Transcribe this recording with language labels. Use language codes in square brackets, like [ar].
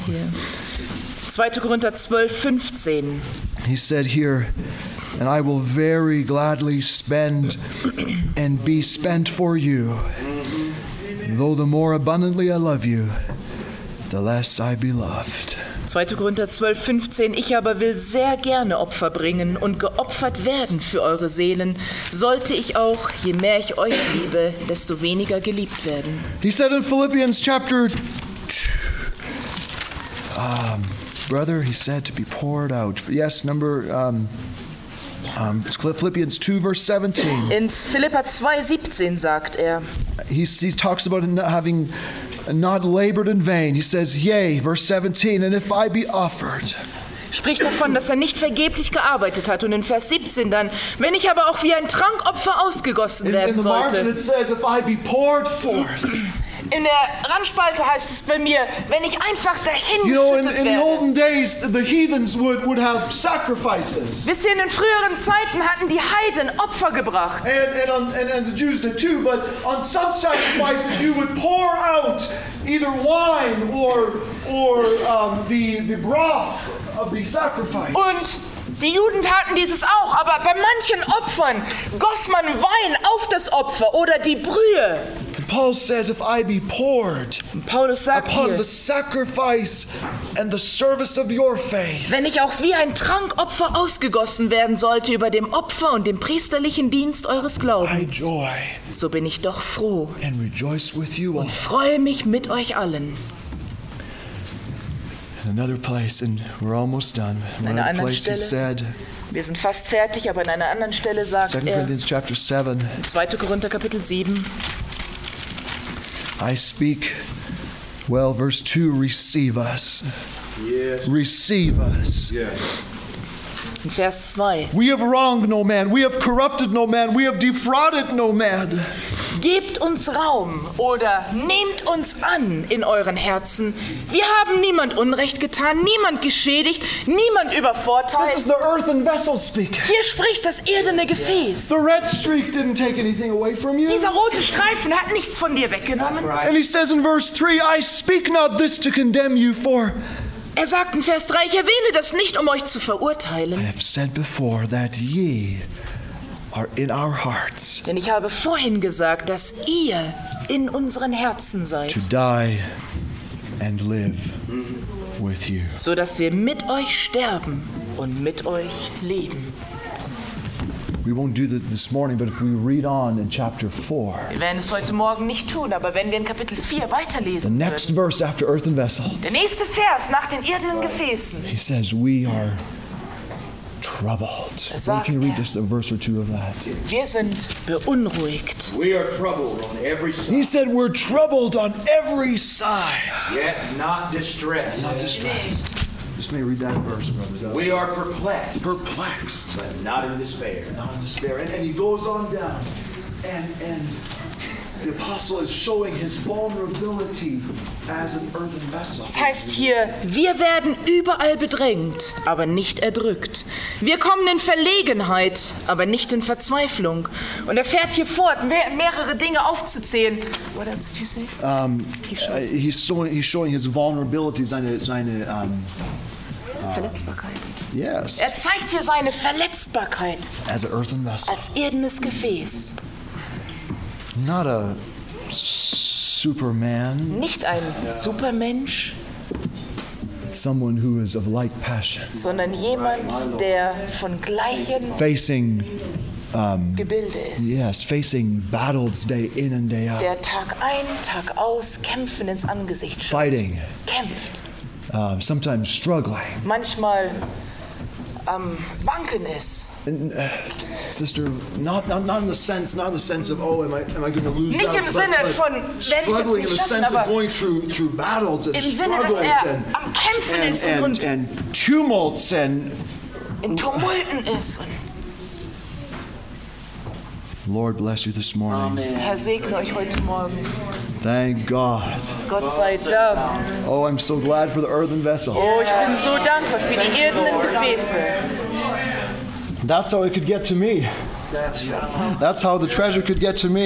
[en] Yeah. 2 Korinther 12:15. He said here, and I will very gladly spend and be spent for you. Mm-hmm. Though the more abundantly I love you, the less I be loved. [de] 2. Korinther 12:15. Ich aber will sehr gerne Opfer bringen und geopfert werden für eure Seelen, sollte ich auch, je mehr ich euch liebe, desto weniger geliebt werden. [en] He said in Philippians chapter 2, brother, he said to be poured out. Yes, number, Philippians 2, verse 17. [de] In Philippa 2:17 sagt er. [en] He talks about having not labored in vain. He says, yea, verse 17, and if I be offered. [de] Spricht davon, dass er nicht vergeblich gearbeitet hat. Und in Vers 17 dann, wenn ich aber auch wie ein Trankopfer ausgegossen werden sollte. [en] In the margin it says, if I be poured forth. [de] In der Randspalte heißt es bei mir, wenn ich einfach dahin geschüttet werde. Wisst ihr, in den früheren Zeiten hatten die Heiden Opfer gebracht. [en] And the Jews did too, but on some sacrifices you would pour out either wine or the broth of the sacrifice. [de] Und die Juden taten dieses auch, aber bei manchen Opfern goss man Wein auf das Opfer oder die Brühe. [en] Paul says, if I be poured upon [de] hier, [en] the sacrifice and the service of your faith. [de] Wenn ich auch wie ein Trankopfer ausgegossen werden sollte über dem Opfer und dem priesterlichen Dienst eures Glaubens, [en] I joy, [de] so bin ich doch froh [en] and rejoice with you [de] und freue mich mit euch allen. [en] In another place, and we're almost done. In another place he said, [de] wir sind fast fertig, aber an einer anderen Stelle sagt [en] 2 Corinthians chapter 7, [de] 2. Korinther Kapitel 7, [en] I speak, well, verse 2, receive us. Yes. Receive us. Yes. [de] Vers 2. [en] We have wronged no man. We have corrupted no man. We have defrauded no man. [de] Gebt uns Raum oder nehmt uns an in euren Herzen. Wir haben niemand Unrecht getan, niemand geschädigt, niemand übervorteilt. [en] This is the earthen vessel speaking. [de] Hier spricht das irdene Gefäß. [en] The red streak didn't take anything away from you. [de] Dieser rote Streifen hat nichts von dir weggenommen. [en] That's right. And he says in verse 3, I speak not this to condemn you for. [de] Er sagt in Vers 3, ich erwähne das nicht, um euch zu verurteilen. [en] I have said before that ye are in our hearts. [de] Denn ich habe vorhin gesagt, dass ihr in unseren Herzen seid. [en] To die and live with you. [de] So dass wir mit euch sterben und mit euch leben. [en] We won't do that this morning, but if we read on in chapter 4. [de] Wir werden es heute Morgen nicht tun, aber wenn wir in Kapitel 4 weiterlesen. [en] The next verse after earthen vessels. [de] Der nächste Vers nach den irdenen Gefäßen. [en] He says we are troubled. Can you read just a verse or two of that? [de] Wir sind beunruhigt. [en] We are troubled on every side. He said we're troubled on every side. Yet not distressed. Not distressed. Just may read that verse, brothers. We are perplexed. Perplexed. But not in despair. Not in despair. And he goes on down. And the apostle is showing his vulnerability as an earthen vessel. [de] Das heißt hier, wir werden überall bedrängt, aber nicht erdrückt. Wir kommen in Verlegenheit, aber nicht in Verzweiflung. Und fährt hier fort, mehrere Dinge aufzuzählen. [en] What else did you say? He's showing his vulnerability, [de] seine Verletzbarkeit. [en] Yes. [de] Er zeigt hier seine Verletzbarkeit. [en] As an earthen vessel. [de] Als irdenes Gefäß. [en] Not a superman. [de] Nicht ein Supermensch. [en] Someone who is of like passion. [de] Sondern jemand, der von gleichen [en] facing [de] Gebilde ist. [en] Yes, facing battles day in and day out. [de] Der Tag ein, Tag aus kämpfen ins Angesicht schaut. [en] Fighting. [de] Kämpft. [en] Sometimes struggling. [de] Manchmal wanken ist. [en] Sister, not in the sense of oh, am I going to lose? [de] Nicht [en] that, [de] im Sinne von [en] struggling in the sense of going through battles and struggles and tumults and [de] in Tumulten ist. [en] Lord bless you this morning. Amen. [de] Herr segne euch heute Morgen. [en] Thank God. [de] Gott sei Dank. [en] Oh, I'm so glad for the earthen vessel. [de] Oh, ich bin so dankbar für die irdenen Gefäße. [en] That's how it could get to me. That's how the treasure could get to me.